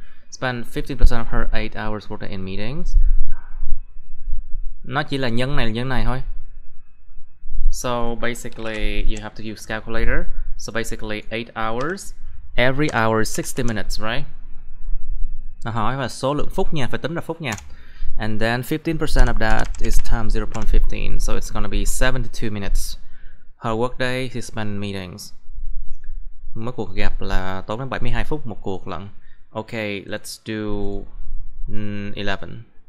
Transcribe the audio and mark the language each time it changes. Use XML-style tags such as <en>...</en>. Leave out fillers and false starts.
<en>Spend 50% of her 8 hours working in meetings.</en> <vi>Nó chỉ là nhân này thôi.</vi> <en>So basically you have to use calculator. So basically 8 hours, every hour 60 minutes, right?</en> <vi>Nó hỏi là số lượng phút nha, phải tính ra phút nha.</vi> <en>And then 15% of that is times 0.15, so it's gonna be 72 minutes. Her workday, she spent meetings.</en> <vi>Mỗi cuộc gặp là tốn đến 72 phút một cuộc lận.</vi> <en>Okay, let's do 11.</en>